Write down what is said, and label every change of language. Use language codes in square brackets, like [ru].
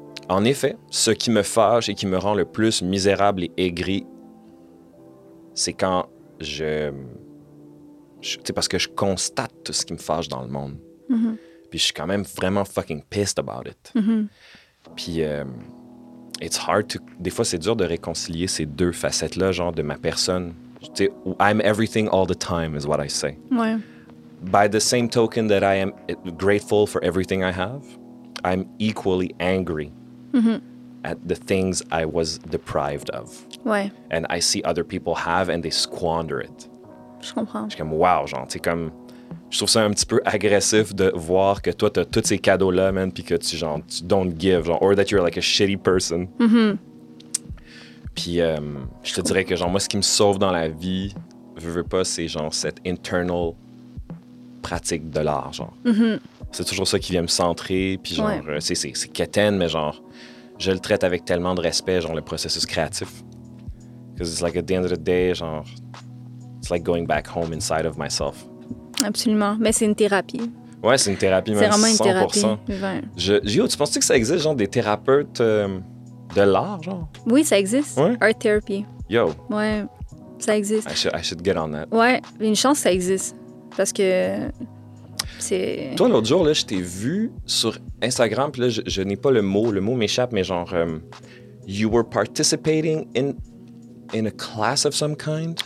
[fr] en effet, ce qui me fâche et qui me rend le plus misérable et aigri, c'est quand c'est parce que je constate tout ce qui me fâche dans le monde. Mm-hmm. Puis je suis quand même vraiment [en] fucking pissed about it. Mm-hmm. Puis it's hard to... [fr] Des fois, c'est dur de réconcilier ces deux facettes-là, genre de ma personne. [en] Tu sais, I'm everything all the time is what I say. [fr] Ouais. [en] By the same token that I am grateful for everything I have, I'm equally angry mm-hmm. at the things I was deprived of. [fr] Ouais. [en] And I see other people have and they squander it. [fr] Je comprends. Je suis comme, wow, genre, tu sais, comme... Je trouve ça un petit peu agressif de voir que toi, t'as tous ces cadeaux-là, man, puis que tu, genre, tu [en] don't give, [fr] genre, [en] or that you're like a shitty person. Mm-hmm. [fr] Puis je te dirais que, genre, moi, ce qui me sauve dans la vie, veux pas, c'est, genre, cette internal pratique de l'art, genre. Mm-hmm. C'est toujours ça qui vient me centrer, puis, genre, ouais. C'est quétaine, mais, genre, je le traite avec tellement de respect, genre, le processus créatif. [en] Because it's like, at the end of the day, genre, it's like going back home inside of myself. [fr] Absolument. Mais c'est une thérapie. Ouais, c'est une thérapie, même 100%. C'est vraiment une thérapie. Gio, tu penses-tu que ça existe, genre, des thérapeutes de l'art, genre? Oui, ça existe. Ouais? [en] Art therapy. Yo. [fr] Ouais, ça existe. [en] I should get on that. [fr] Ouais, une chance, ça existe. Parce que c'est... Toi, l'autre jour, là, je t'ai vu sur Instagram, puis là, je n'ai pas le mot m'échappe, mais genre, [en] you were participating in a class of some kind?